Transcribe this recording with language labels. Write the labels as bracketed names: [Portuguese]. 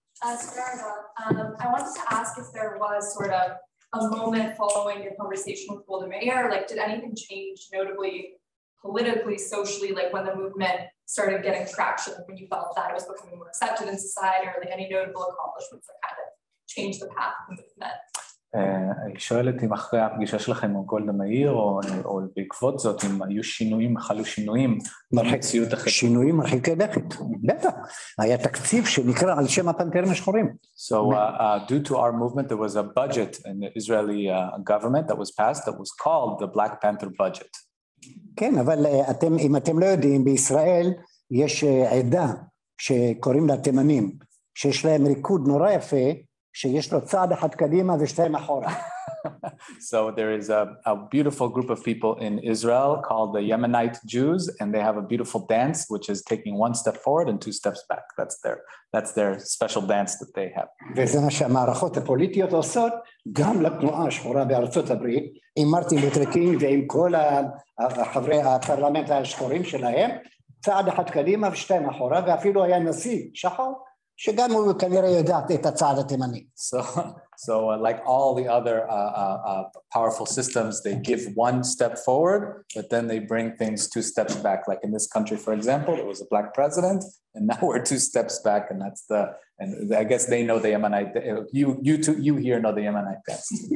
[English] I wanted to ask if there was sort of a moment following your conversation with Golda Meir, like did anything change notably politically, socially, like when the movement started getting traction, when you felt that it was becoming more accepted in society, or like any notable accomplishments that kind of changed the path of the movement? [Hebrew] היא שואלת אם אחרי הפגישה שלכם עם גולדה מאיר או בעקבות זאת, אם היו שינויים, חלו שינויים במציאות אחרת. שינויים מרחיקי לכת, בטח. היה תקציב שנקרא על שם הפנתרים השחורים. [English] So due to our movement, there was a budget in the Israeli government that was passed that was called the Black Panther budget. [Hebrew] כן, אבל אם אתם לא יודעים, בישראל יש עדה שקוראים לה תימנים, שיש להם ריקוד נורא יפה, שיש לו צעד אחד קדימה ושתיים אחורה. [English] So there is a beautiful group of people in Israel called the Yemenite Jews, and they have a beautiful dance which is taking one step forward and two steps back. That's their special dance that they have. [Hebrew] וזה מה שהמערכות הפוליטיות עושות גם לתנועה השחורה בארצות הברית, עם מרטין לותר קינג ועם כל חברי הפרלמנט השחורים שלהם, צעד אחד קדימה ושתיים אחורה, ואפילו היה נשיא שחור שגם הוא כנראה יודע את הצד התימני. [English] So like all the other powerful systems, they give one step forward, but then they bring things two steps back. Like in this country, for example, there was a black president, and now we're two steps back, and that's the, and I guess they know the Yemenite, you here know the Yemenite best.